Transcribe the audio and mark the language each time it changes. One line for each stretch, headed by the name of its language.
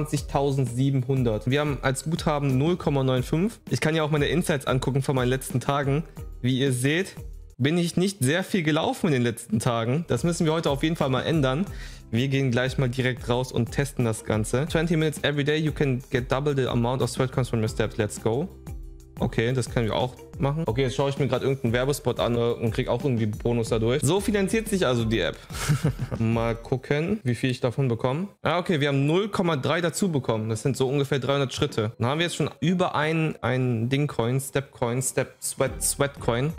German: 21.700. Wir haben als Guthaben 0,95. Ich kann ja auch meine Insights angucken von meinen letzten Tagen. Wie ihr seht, bin ich nicht sehr viel gelaufen in den letzten Tagen. Das müssen wir heute auf jeden Fall mal ändern. Wir gehen gleich mal direkt raus und testen das Ganze.
English: 20 minutes every day, you can get double the amount of sweat coins from your steps. Let's go.
German: Okay, das können wir auch machen. Okay, jetzt schaue ich mir gerade irgendeinen Werbespot an und kriege auch irgendwie Bonus dadurch. So finanziert sich also die App. Mal gucken, wie viel ich davon bekomme. Ah, okay, wir haben 0,3 dazu bekommen. Das sind so ungefähr 300 Schritte. Dann haben wir jetzt schon über ein Ding-Coin, Step-Coin, Step-Sweat-Sweat-Coin.